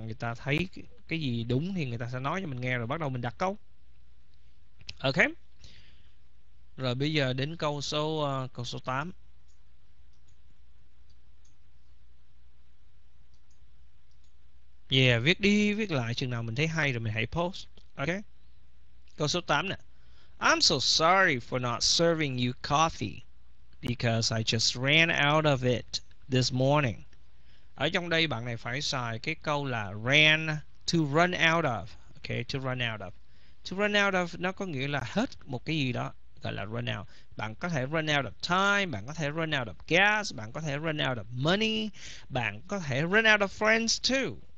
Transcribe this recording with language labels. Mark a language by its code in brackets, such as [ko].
[vi] Người ta thấy cái gì đúng thì người ta sẽ nói cho mình nghe rồi bắt đầu mình đặt câu. Ok. Rồi bây giờ đến câu số 8. Yeah, viết đi, viết lại chừng nào mình thấy hay rồi mình hãy post. Ok. Câu số 8 nè. [en] I'm so sorry for not serving you coffee because I just ran out of it this morning. [vi] Ở trong đây bạn này phải xài cái câu là ran, to run out of. Ok, to run out of. To run out of nó có nghĩa là hết một cái gì đó, gọi là run out. [en] Bạn có thể run out of time, [vi] bạn có thể [en] run out of gas, bạn có thể run out of money, bạn có thể run out of friends too.